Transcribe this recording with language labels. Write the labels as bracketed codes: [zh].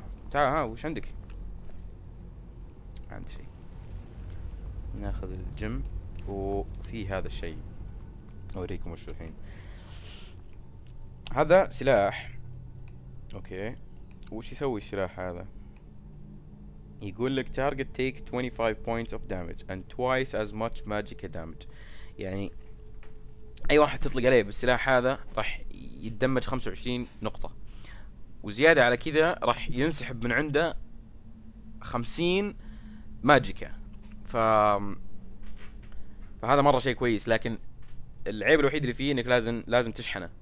[ar] فتعال ها وش عندك؟ عندي شيء. ناخذ الجيم وفي هذا الشيء اوريكم وش الحين. هذا سلاح. اوكي وش يسوي السلاح هذا؟ يقول لك [en] target take 25 points of damage and twice as much magic damage. [ar] يعني اي واحد تطلق عليه بالسلاح هذا راح يتدمج 25 نقطة، وزيادة على كذا راح ينسحب من عنده 50 ماجيكا. فهذا مرة شيء كويس، لكن العيب الوحيد اللي فيه انك لازم تشحنه.